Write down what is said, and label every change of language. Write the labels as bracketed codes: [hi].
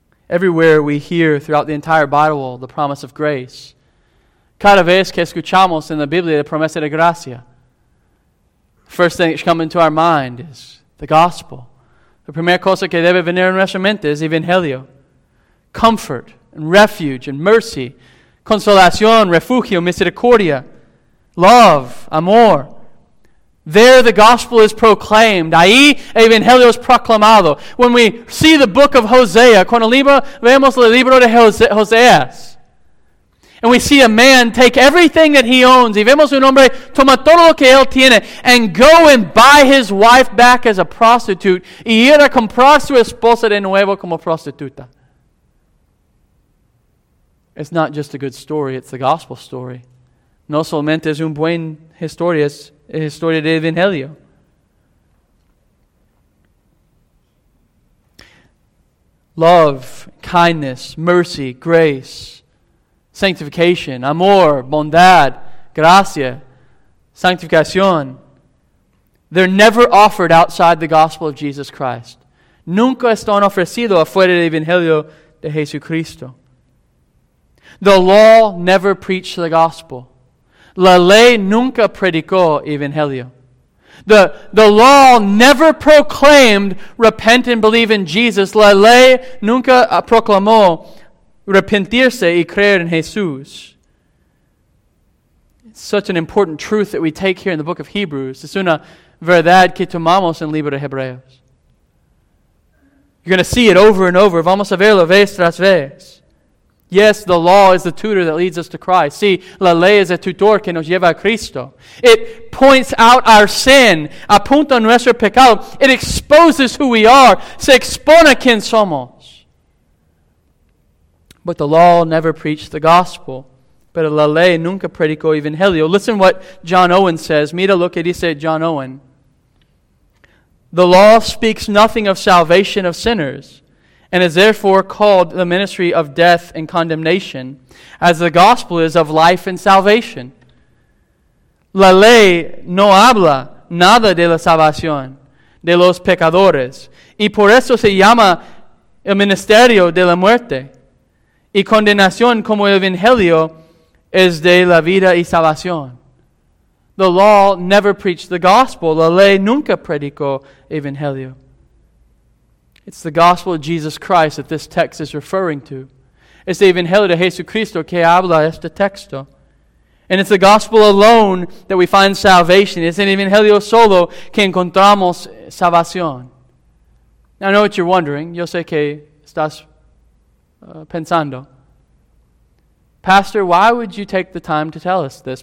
[en] Everywhere we hear throughout the entire Bible the promise of grace. [es] Cada vez que escuchamos en la Biblia la promesa de gracia. [en] First thing that should come into our mind is the gospel. [es] La primera cosa que debe venir en nuestra mente es evangelio. [en] Comfort and refuge and mercy. [es] Consolación, refugio, misericordia. [en] Love, amor. There the gospel is proclaimed. [es] Ahí evangelio es proclamado. [en] When we see the book of Hosea, [es] cuando vemos el libro de Hosea, [en] and we see a man take everything that he owns, [es] y vemos un hombre toma todo lo que él tiene, [en] and go and buy his wife back as a prostitute, [es] y ir a comprar su esposa de nuevo como prostituta. [en] It's not just a good story, it's the gospel story. [es] No solamente es un buen historia, es la historia del evangelio. [en] Love, kindness, mercy, grace, sanctification, [es] amor, bondad, gracia, sanctificación. [en] They're never offered outside the gospel of Jesus Christ. [es] Nunca están ofrecidos afuera del evangelio de Jesucristo. [en] The law never preached the gospel. [es] La ley nunca predicó evangelio. [en] The law never proclaimed repent and believe in Jesus. [es] La ley nunca proclamó arrepentirse y creer en Jesús. [en] It's such an important truth that we take here in the book of Hebrews. [es] Es una verdad que tomamos en el libro de Hebreos. [en] You're going to see it over and over. [es] Vamos a verlo vez tras vez. [en] Yes, the law is the tutor that leads us to Christ. [es] Sí, la ley es el tutor que nos lleva a Cristo. [en] It points out our sin. [es] Apunta nuestro pecado. [en] It exposes who we are. [es] Se expone quién somos. [en] But the law never preached the gospel. [es] Pero la ley nunca predicó evangelio. [en] Listen what John Owen says. [es] Mira lo que dice John Owen. [en] The law speaks nothing of salvation of sinners, and is therefore called the ministry of death and condemnation, as the gospel is of life and salvation. [es] La ley no habla nada de la salvación de los pecadores, y por eso se llama el ministerio de la muerte. Y condenación como el evangelio es de la vida y salvación. [en] The law never preached the gospel. [es] La ley nunca predicó evangelio. [en] It's the gospel of Jesus Christ that this text is referring to. [es] Es el evangelio de Jesucristo que habla este texto. [en] And it's the gospel alone that we find salvation. [es] Es el evangelio solo que encontramos salvación. [en] I know what you're wondering. [es] Yo sé que estás pensando. [en] Pastor, why would you take the time to tell us this?